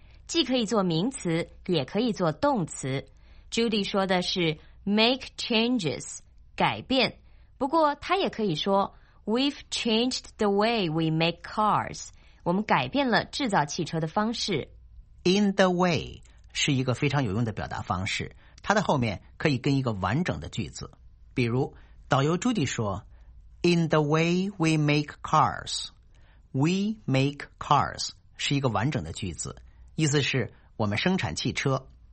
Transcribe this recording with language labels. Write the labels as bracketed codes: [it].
[zh] 既可以做名词，也可以做动词。 Judy 说的是 [en] make changes, [zh] 改变。不过他也可以说 [en] we've changed the way we make cars, [zh] 我们改变了制造汽车的方式。 [en] In the way [zh] 是一个非常有用的表达方式，它的后面可以跟一个完整的句子。比如导游 Judy 说 [en] In the way we make cars, we make cars [zh] 是一个完整的句子，意思是我们生产汽车。